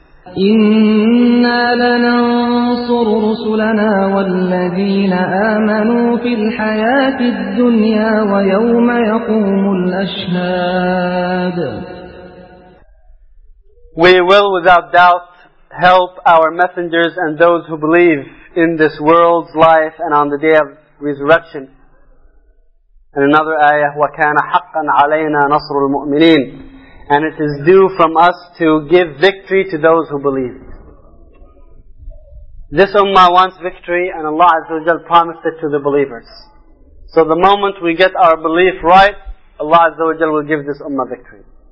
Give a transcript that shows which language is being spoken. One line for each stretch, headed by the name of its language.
Arabic: إِنَّا لَنَنصُرُ رُسُلَنَا وَالَّذِينَ آمَنُوا فِي الْحَيَاةِ الدُّنْيَا وَيَوْمَ يَقُومُ الْأَشْهَادِ.
English: We will without doubt help our messengers and those who believe in this world's life and on the Day of Resurrection. And another ayah,
Arabic: وَكَانَ حَقًّا عَلَيْنَا نَصْرُ الْمُؤْمِنِينَ.
English: And it is due from us to give victory to those who believe. This ummah wants victory, and Allah Azza wa Jalla promised it to the believers. So the moment we get our belief right, Allah Azza wa Jalla will give this ummah victory.